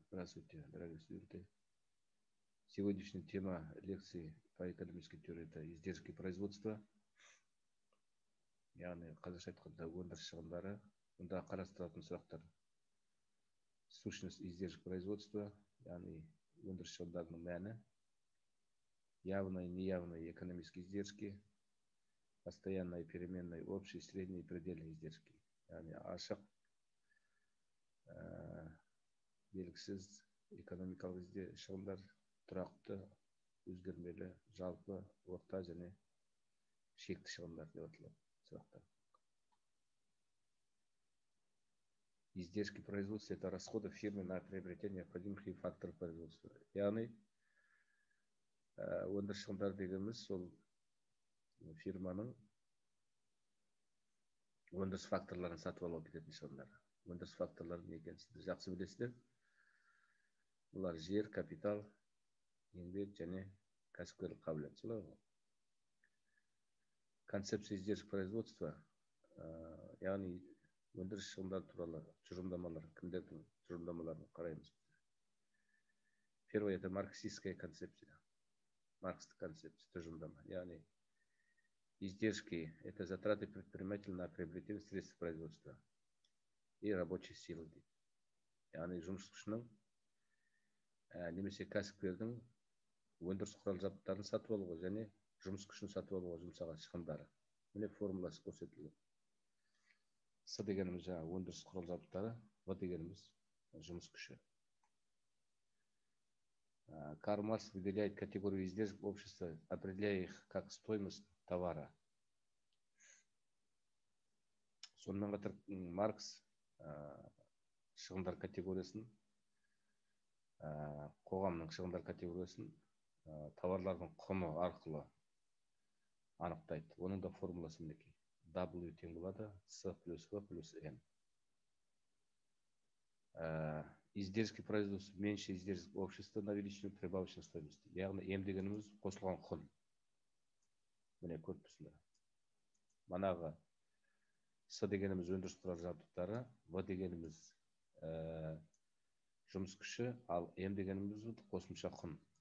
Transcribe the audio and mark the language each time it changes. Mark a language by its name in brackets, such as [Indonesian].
[Russian] Здравствуйте, дорогие студенты. Сегодняшняя тема лекции по экономической теории – это издержки производства. [Kazakh] Яны қазашайт қанда ғондар шығындары. Онда қарастыратын сұрақтар [Russian] – сущность издержек производства, [Kazakh] яны ғондар шығындарының мәні, [Russian] явные и неявные экономические издержки, постоянные и переменные общие, средние и предельные издержки. [Kazakh] Яны ашық. Белгісіз экономикалық шығындар, тұрақты, өзгермелі, жалпы, орта және шекті шығындар деп аталады сұрақта. [Russian] Издержки производства – это расходы фирмы на приобретение необходимых факторов производства. [Kazakh] Яғни, өндіріс шығындар дегеніміз сол фирманың өндіріс факторларын сатып алуға кететін шығындар. Өндіріс факторларын екен, сіздер жақсы білесіздер. Олар жер, капитал, еңбек және кәсіпкерлік қабілет. Солай ғой. [Russian] Концепция издержек производства, [Kazakh] яғни өндіріс шығындар туралы тұжырымдамалар, кімдердің тұжырымдамаларын қараймыз. [Russian] Первое – это марксистская концепция. Марксистская концепция, тұжырымдама. Яғни издержки – это затраты предпринимателя на приобретение средств производства и рабочей силы. [Kazakh] Яғни жұмыс күшінің немесе кәсіпкердің өндіріс құрал жабдықтарын сатып алуға және жұмыс күшін сатып алуға жұмсаған шығындары. Міне формуласы көрсетілді. С дегеніміз жаңағы өндіріс құрал жабдықтары, В дегеніміз жұмыс күші. [Russian] Карл Маркс выделяет категорию издержек общества, определяя их как стоимость товара. [Kazakh] Сонымен қатар Маркс шығындар категориясын қоғамның шығындар категориясын товарлардың құны арқылы анықтайды. Оның да формуласы мінекей. W тең болады С плюс В плюс N. [Russian] Издержки производства меньше издержек общества на величину прибавочной стоимости. [Kazakh] Яғни M дегеніміз қосылған құн. Міне көрпісілі. Манағы С дегеніміз өндіріс құрал жабдықтары, В дегеніміз жұмыс күші, ал М дегеніміз қосымша құн.